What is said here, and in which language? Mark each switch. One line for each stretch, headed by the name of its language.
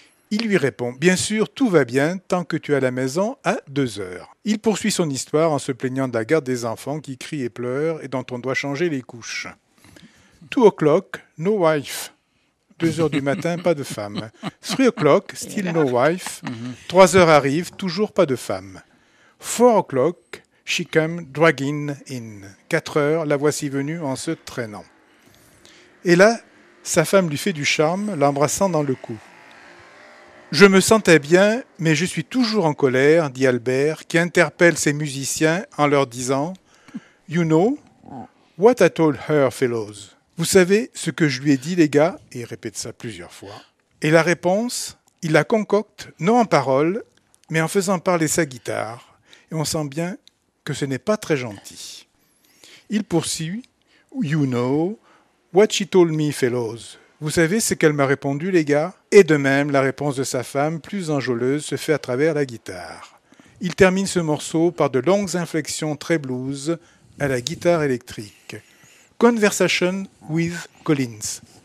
French: Il lui répond, bien sûr, tout va bien tant que tu es à la maison à 2 heures. Il poursuit son histoire en se plaignant de la garde des enfants qui crient et pleurent et dont on doit changer les couches.
English: 2 o'clock, no wife.
French: 2 heures du matin, pas de femme.
English: 3 o'clock, still no wife.
French: 3 heures arrivent, toujours pas de femme.
English: 4 o'clock, she came dragging in.
French: 4 heures, la voici venue en se traînant. Et là, sa femme lui fait du charme, l'embrassant dans le cou. Je me sentais bien, mais je suis toujours en colère, dit Albert, qui interpelle ses musiciens en leur disant «
English: You know what I told her, fellows
French: ?»« Vous savez ce que je lui ai dit, les gars ?» Et il répète ça plusieurs fois. Et la réponse, il la concocte, non en paroles, mais en faisant parler sa guitare. Et on sent bien que ce n'est pas très gentil. Il poursuit «
English: You know what she told me, fellows ?»
French: Vous savez ce qu'elle m'a répondu, les gars ? Et de même, la réponse de sa femme, plus enjôleuse, se fait à travers la guitare. Il termine ce morceau par de longues inflexions très blues à la guitare électrique.
English: Conversation with Collins.